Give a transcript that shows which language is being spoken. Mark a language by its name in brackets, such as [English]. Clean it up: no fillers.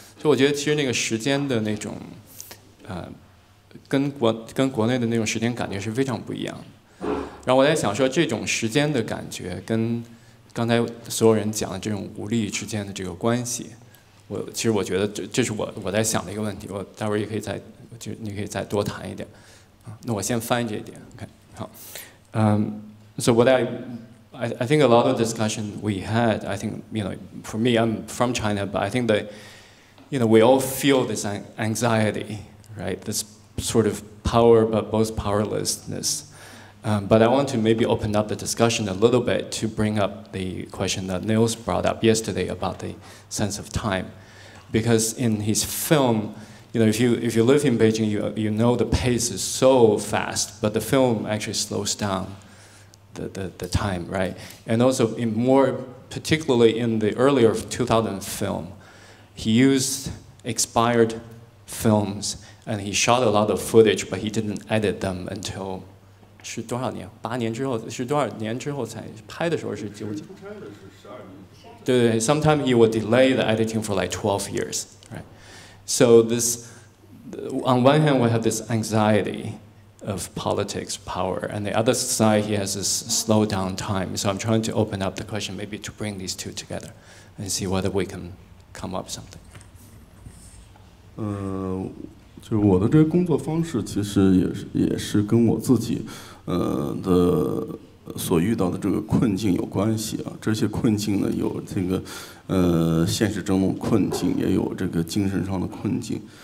[Chinese] 所以我觉得其实那个时间的那种跟国内的那种时间感觉是非常不一样的。然后我在想说，这种时间的感觉跟刚才所有人讲的这种无力之间的这个关系，我其实我觉得这是我在想的一个问题，我待会儿也可以再就你可以再多谈一点。那我先翻译这一点。OK， 好。 [English] So what I think a lot of discussion we had, I think you know, for me, I'm from China, but I think that you know we all feel this anxiety, right? This sort of power but both powerlessness. But I want to maybe open up the discussion a little bit to bring up the question that Nils brought up yesterday about the sense of time. Because in his film, you know, if you live in Beijing, you know the pace is so fast, but the film actually slows down the time, right? And also, in more particularly in the earlier 2000 film, he used expired films and he shot a lot of footage, but he didn't edit them until [Chinese] 是多少年？八年之后是多少年之后才拍的时候是九几？对对 [English] ，sometimes he would delay the editing for like 12 years, right? So this, on one hand, we have this anxiety of politics, power, and the other side, he has this slow down time. So I'm trying to open up the question, maybe to bring these two together, and see whether we can come up something. [Chinese] 就是我的这个工作方式，其实也是跟我自己，的所遇到的这个困境有关系啊。这些困境呢，有这个现实中的困境，也有这个精神上的困境。